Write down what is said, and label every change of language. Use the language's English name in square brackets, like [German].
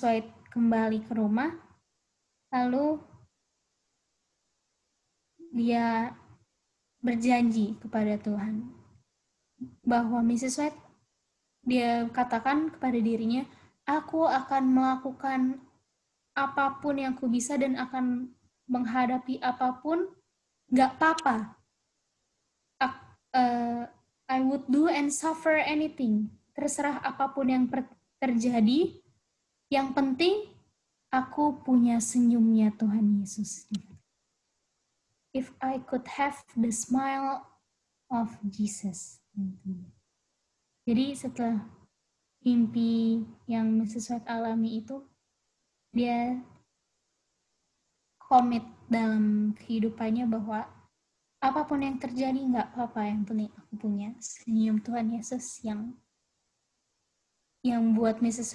[Indonesian] White kembali ke rumah, lalu dia berjanji kepada Tuhan bahwa Mrs. White, dia katakan kepada dirinya, aku akan melakukan apapun yang kubisa dan akan menghadapi apapun, gak apa-apa. [English] I would do and suffer anything. [Indonesian] Terserah apapun yang terjadi, yang penting aku punya senyumnya Tuhan Yesus. [English] If I could have the smile of Jesus. [Indonesian] Jadi setelah mimpi yang Mrs. White alami itu, dia komit dalam kehidupannya bahwa apapun yang terjadi, gak apa-apa, yang penting aku punya senyum Tuhan Yesus yang buat Mrs.